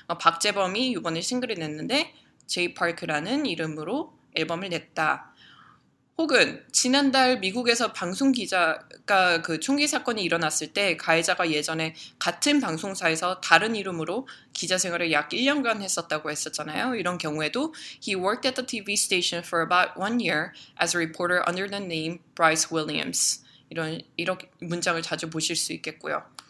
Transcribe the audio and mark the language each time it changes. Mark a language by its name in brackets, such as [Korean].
[Korean] 박재범이 이번에 싱글을 냈는데 Jay Park라는 이름으로 앨범을 냈다. 혹은 지난달 미국에서 방송 기자가 그 총기 사건이 일어났을 때 가해자가 예전에 같은 방송사에서 다른 이름으로 기자 생활을 약 1년간 했었다고 했었잖아요. 이런 경우에도 [English] He worked at the TV station for about one year as a reporter under the name Bryce Williams. [Korean] 이렇게 문장을 자주 보실 수 있겠고요.